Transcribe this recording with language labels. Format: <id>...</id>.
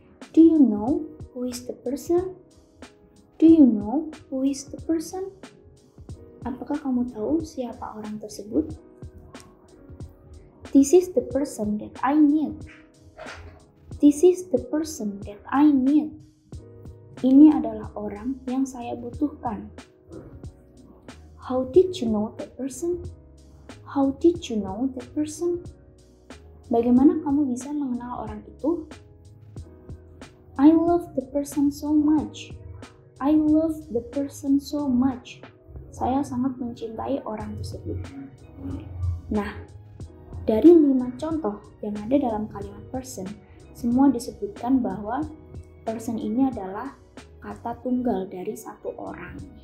<en>Do you know who is the person? Do you know who is the person?</en> <id>Apakah kamu tahu siapa orang tersebut?</id> <en>This is the person that I need. This is the person that I need.</en> <id>Ini adalah orang yang saya butuhkan.</id> <en>How did you know that person? How did you know that person?</en> <id>Bagaimana kamu bisa mengenal orang itu?</id> <en>I love the person so much. I love the person so much.</en> <id>Saya sangat mencintai orang tersebut. Nah, dari 5 contoh yang ada dalam kalimat person, semua disebutkan bahwa person ini adalah kata tunggal dari satu orang.</id>